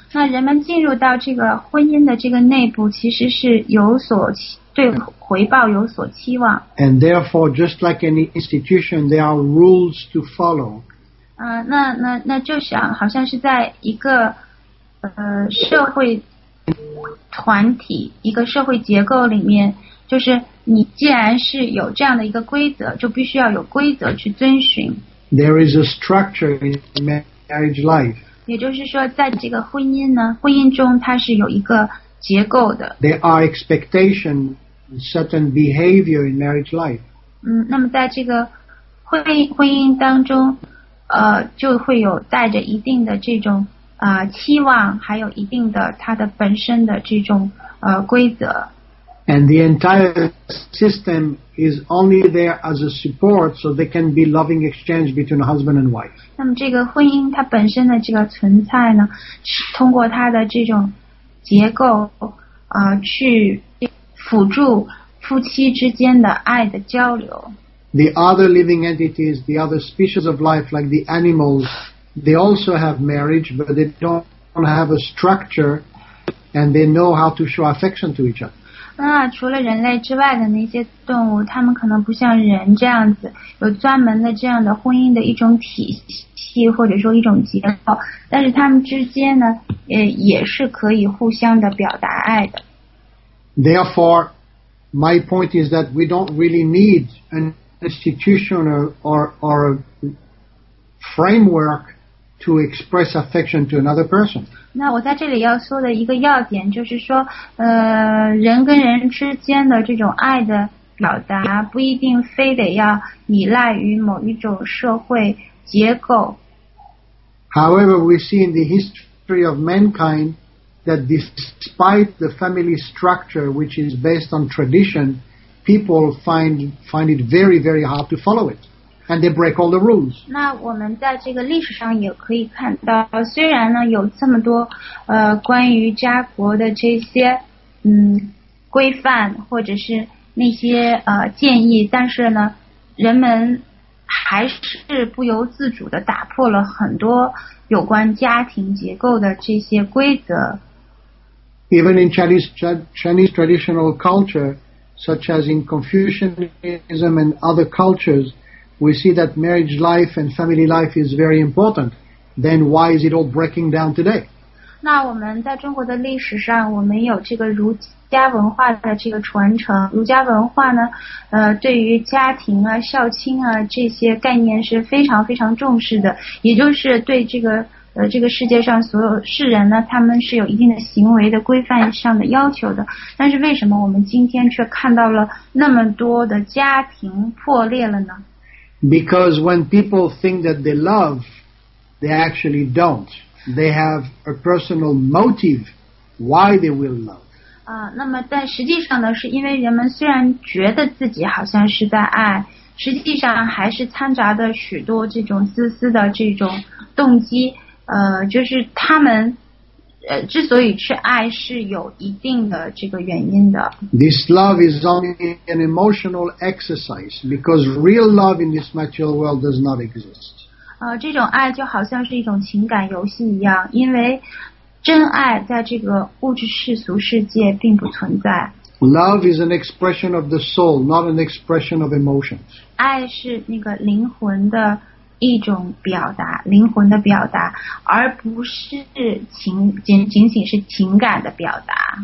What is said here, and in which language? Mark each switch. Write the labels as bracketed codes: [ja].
[zh] 那人们进入到这个婚姻的这个内部，其实是有所对回报有所期望。 [en] And therefore, just like any institution, there are rules to follow. [zh] 那就想好像是在一个社会团体一个社会结构里面，就是你既然是有这样的一个规则，就必须要有规则去遵循。 [en] There is a structure in marriage life. [zh] 也就是说在这个婚姻呢，婚姻中它是有一个结构的。 [en] There are expectations, certain behavior in marriage life. [zh] 那么在这个婚姻当中就会有带着一定的这种期望，还有一定的它的本身的这种规则。 [en] And the entire system is only there as a support so there can be loving exchange between husband and wife. [zh] 那么这个婚姻它本身的这个存在呢，通过它的这种结构去辅助夫妻之间的爱的交流。 [en] The other living entities, the other species of life, like the animals, they also have marriage, but they don't have a structure and they know how to show affection to each other. [zh] 那除了人类之外的那些动物，他们可能不像人这样子有专门的这样的婚姻的一种体系或者说一种结构，但是他们之间呢，也是可以互相的表达爱的。 [en] Therefore, my point is that we don't really need an institution or a framework to express affection to another person. [zh] 那我在这里要说的一个要点就是说人跟人之间的这种爱的表达不一定非得要依赖于某一种社会结构。 [en] However, we see in the history of mankind that despite the family structure which is based on tradition, people find it very, very hard to follow it. And they break all the rules. [zh] 那我们在这个历史上也可以看到，虽然呢有这么多关于家国的这些规范或者是那些建议，但是呢人们还是不由自主的打破了很多有关家庭结构的这些规则。 [en] Even in Chinese traditional culture, such as in Confucianism and other cultures. We see that marriage life and family life is very important. Then why is it all breaking down today? [zh] 那我们在中国的历史上，我们有这个儒家文化的这个传承。儒家文化呢，对于家庭啊、孝亲啊这些概念是非常非常重视的。也就是对这个世界上所有世人呢，他们是有一定的行为的规范上的要求的。但是为什么我们今天却看到了那么多的家庭破裂了呢？ [en] Because when people think that they love, they actually don't. They have a personal motive why they will love. [zh] 那么但实际上呢，是因为人们虽然觉得自己好像是在爱，实际上还是掺杂的许多这种自私的这种动机。就是他们之所以去爱是有一定的这个原因的。 [en] This love is only an emotional exercise because real love in this material world does not exist. [zh] 这种爱就好像是一种情感游戏一样，因为真爱在这个物质世俗世界并不存在。 [en] Love is an expression of the soul, not an expression of emotions. [zh] 爱是那个灵魂的一种表达，灵魂的表达，而不是仅仅是情感的表达。